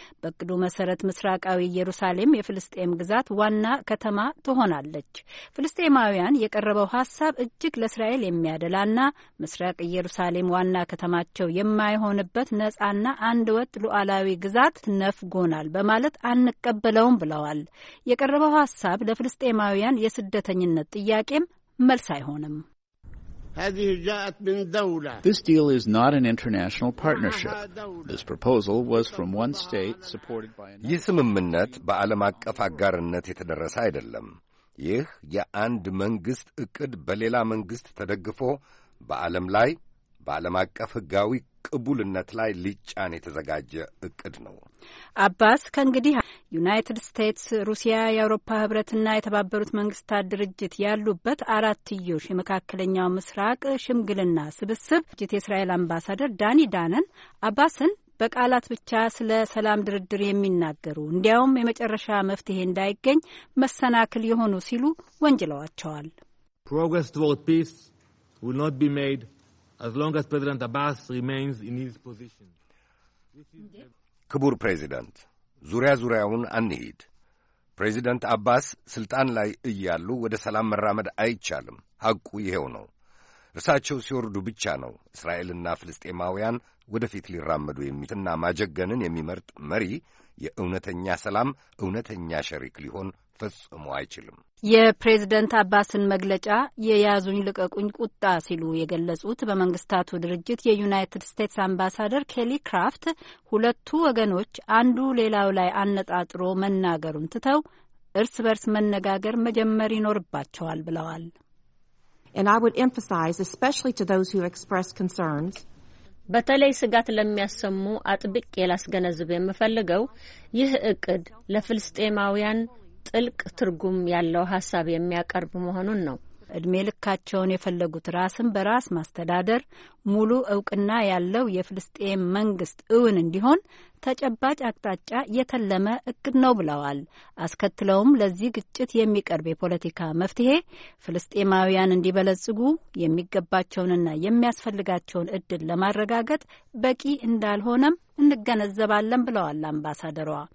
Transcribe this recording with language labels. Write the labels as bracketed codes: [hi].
[am] በእቅዱ መሰረት ምስራቃዊ ኢየሩሳሌም የፍልስጤም ግዛት ዋና ከተማ ትሆናለች። ፍልስጤማውያን የቀረበው ሐሳብ እጅግ ለእስራኤል የሚያደላና ምስራቅ ኢየሩሳሌም ዋና ከተማቸው የማይሆንበት ነጻና አንድ ወጥ ሉዓላዊ ግዛት ነፍጎናል በማለት አንቀበለውም ብለዋል። የቀረበው ሐሳብ ለፍልስጤማውያን የስደተኝነት ጥያቄም መልስ አይሆንም። [ar] هذه جاءت من دولة. [en] This deal is not an international partnership. This proposal was from one state supported by another. [am] የስምምነት በዓለም አቀፍ አጋርነት የተደረሰ አይደለም። ይህ የአንድ መንግስት እቅድ በሌላ መንግስት ተደግፎ በዓለም ላይ በዓለም አቀፍ ህጋዊ ቅቡልነት ላይ ሊጫን የተዘጋጀ እቅድ ነው። አባስ ከእንግዲህ ዩናይትድ ስቴትስ፣ ሩሲያ፣ የአውሮፓ ህብረትና የተባበሩት መንግስታት ድርጅት ያሉበት አራትዮሽ የመካከለኛው ምስራቅ ሽምግልና ስብስብ ጅት የእስራኤል አምባሳደር ዳኒ ዳነን አባስን በቃላት ብቻ ስለ ሰላም ድርድር የሚናገሩ እንዲያውም የመጨረሻ መፍትሄ እንዳይገኝ መሰናክል የሆኑ ሲሉ ወንጅለዋቸዋል። [en] Progress toward peace will not be made as long as President Abbas remains in his position. [am] ክቡር ፕሬዚዳንት፣ ዙሪያ ዙሪያውን አንሂድ። ፕሬዚዳንት አባስ ስልጣን ላይ እያሉ ወደ ሰላም መራመድ አይቻልም። ሐቁ ይሄው ነው። እርሳቸው ሲወርዱ ብቻ ነው እስራኤልና ፍልስጤማውያን ወደፊት ሊራመዱ የሚትና ማጀገንን የሚመርጥ መሪ የእውነተኛ ሰላም እውነተኛ ሸሪክ ሊሆን ፈጽሞ አይችልም። የፕሬዝደንት አባስን መግለጫ የያዙኝ ልቀቁኝ ቁጣ ሲሉ የገለጹት በመንግስታቱ ድርጅት የዩናይትድ ስቴትስ አምባሳደር ኬሊ ክራፍት ሁለቱ ወገኖች አንዱ ሌላው ላይ አነጣጥሮ መናገሩን ትተው እርስ በርስ መነጋገር መጀመር ይኖርባቸዋል ብለዋል። [en] And I would emphasize especially to those who express concerns [am] በተለይ ስጋት ለሚያሰሙ አጥብቅ የላስገነዝብ የምፈልገው ይህ እቅድ ለፍልስጤማውያን ጥልቅ ትርጉም ያለው ሐሳብ የሚያቀርብ መሆኑን ነው። እድሜ ልካቸውን የፈለጉት ራስን በራስ ማስተዳደር ሙሉ ዕውቅና ያለው የፍልስጤም መንግስት እውን እንዲሆን ተጨባጭ አቅጣጫ የተለመ እቅድ ነው ብለዋል። አስከትለውም ለዚህ ግጭት የሚቀርብ የፖለቲካ መፍትሄ ፍልስጤማውያን እንዲበለጽጉ የሚገባቸውንና የሚያስፈልጋቸውን እድል ለማረጋገጥ በቂ እንዳልሆነም እንገነዘባለን ብለዋል አምባሳደሯ።